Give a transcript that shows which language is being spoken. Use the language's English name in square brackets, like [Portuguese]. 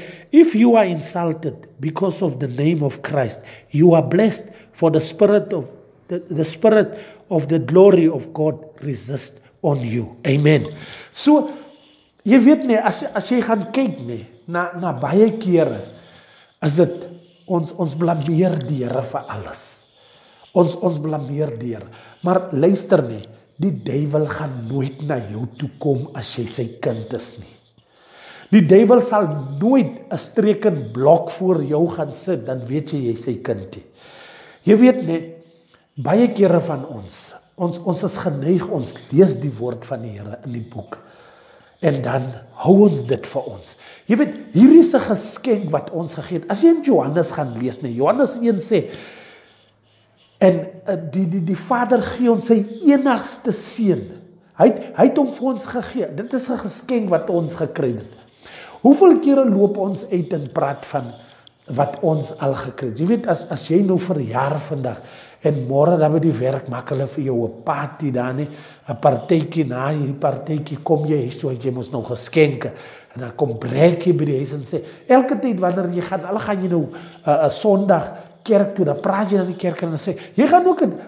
[English] If you are insulted because of the name of Christ, you are blessed, for the spirit of the glory of God resists on you. [Afrikaans] Amen. So, jy weet nie, as jy gaan kyk nie, na baie kere, is dit, ons blameer die Here vir alles. Ons blameer die Here. Maar luister nie, die duivel gaan nooit na jou toe kom as jy sy kind is nie. Die duivel sal nooit 'n streek en blok voor jou gaan sit, dan weet jy jy sy kind nie. Jy weet nie, baie kere van ons is geneig, ons lees die woord van die Here in die boek. En dan hou ons dit vir ons. Jy weet, hier is 'n geskenk wat ons gegee het. As jy in Johannes gaan lees, nee, Johannes 1 sê, en die Vader gee ons sy enigste seun. Hy het hom vir ons gegee. Dit is 'n geskenk wat ons gekry het. Hoeveel kere loop ons uit en praat van wat ons al gekry het? Jy weet, as jy nou verjaar vandag, en môre dan by die werk maak hulle vir jou 'n party daar nie, 'n partytjie na hierdie partytjie, kom jy hier toe, jy moet nou geskenke, en dan kom breek jy by die huis en sê, elke tyd wanneer jy gaan, al gaan jy nou sondag kerk toe, dan praat jy na die kerk en dan sê, jy gaan ook